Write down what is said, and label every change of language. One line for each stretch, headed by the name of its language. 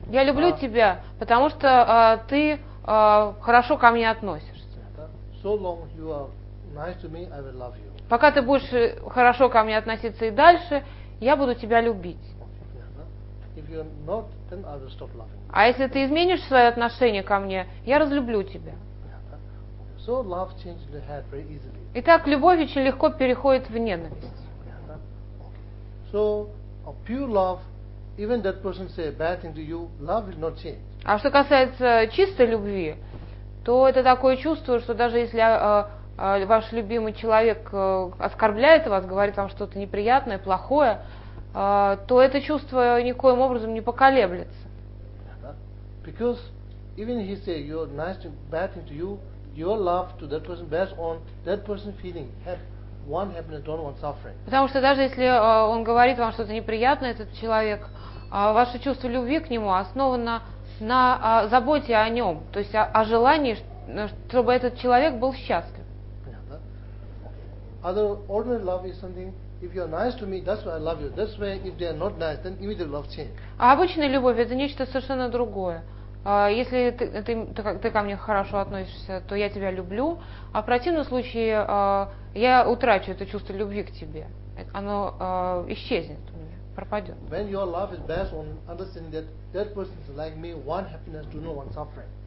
Russian: Я люблю тебя, потому что ты хорошо ко мне относишься.
English: So long you are nice to me, I will love you.
Russian: Пока ты будешь хорошо ко мне относиться и дальше, я буду тебя любить.
English: If you are not, then I will stop loving you.
Russian: А если ты изменишь свое отношение ко мне, я разлюблю тебя.
English: So love changes the heart very easily.
Russian: Итак, любовь очень легко переходит в ненависть.
English: So a pure love, even that person say a bad thing to you, love will not change.
Russian: А что касается чистой любви, то это такое чувство, что даже если ваш любимый человек оскорбляет вас, говорит вам что-то неприятное, плохое, то это чувство никоим образом не поколеблется.
English: Because even if he say you're nice to bad thing to you, your love to that person based on that person feeling have one happiness, don't want suffering.
Russian: Потому что даже если он говорит вам что-то неприятное, этот человек, ваше чувство любви к нему основано на заботе о нем, то есть о желании, чтобы этот человек был счастлив.
English: Other ordinary love is something. If you are nice to me, that's why I love you. That's why if they are not nice, then immediate love change.
Russian: А обычная любовь — это нечто совершенно другое. Если ты ко мне хорошо относишься, то я тебя люблю. А в противном случае я утрачу это чувство любви к тебе. Оно исчезнет у меня, пропадет.
English: When your love is based on understanding that that person is like me, one happiness to no one suffering.